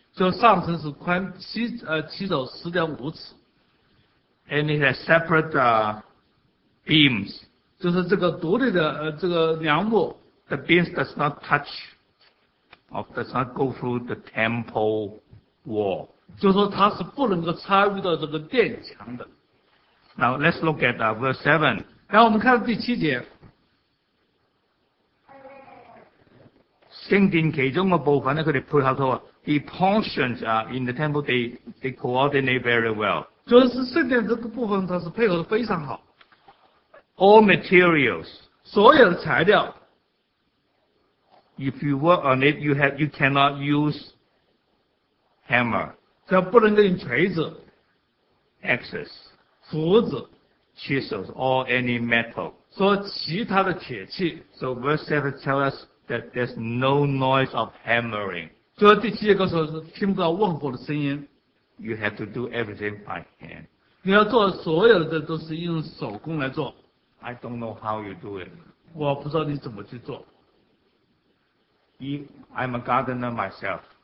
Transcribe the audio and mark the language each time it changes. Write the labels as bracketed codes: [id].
[zh] 就上层是宽七肘10.5尺 [en] and it has separate beams. [zh] 就是这个独立的这个梁木。 [en] The beams does not touch, or does not go through the temple wall. [zh] 就是说它是不能够插入到这个殿墙的。 [en] Now let's look at verse 7. [zh] 然后我们看第七节。圣殿其中的部分呢，他们配合到 [en] the portions in the temple, they coordinate very well. [zh] 就是圣殿这个部分它是配合得非常好。 [en] All materials, [zh] 所有的材料。 [en] If you work on it, you cannot use hammer. [zh] 这不能用锤子。 [en] Axes, [zh] 斧子。 [en] Chisels, or any metal. [zh] 说其他的铁器。 [en] So verse 7 tells us,that there's no noise of hammering. [zh] 就第七节告诉我是听不到瓮火的声音。 [en] You have to do everything by hand. [zh] 你要做所有的都是用手工来做。 [en] I don't know how you do it. [zh] 我不知道你怎么去做。 [en] I'm a gardener myself.